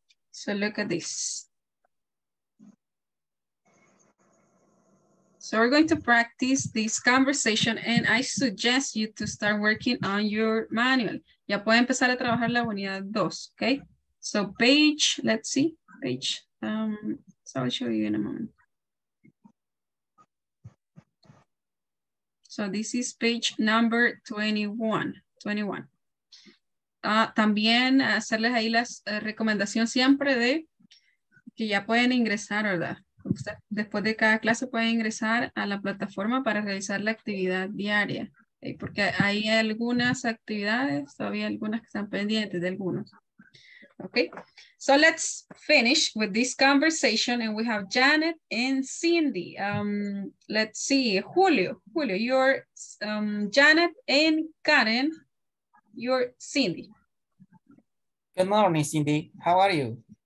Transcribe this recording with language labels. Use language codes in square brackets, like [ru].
[en] So look at this. So we're going to practice this conversation and I suggest you to start working on your manual. [es] Ya puede empezar a trabajar la unidad 2, okay? [en] So page, let's see, page. So I'll show you in a moment. So this is page number 21. [es] También hacerles ahí las recomendación siempre de que ya pueden ingresar, ¿verdad? Después de cada clase pueden ingresar a la plataforma para realizar la actividad diaria, ¿okay? Porque hay algunas actividades, todavía algunas que están pendientes de algunos. [en] Okay, so let's finish with this conversation and we have Janet and Cindy. Let's see, Julio, you're Janet and Karen, you're Cindy. Good morning, Cindy. How are you?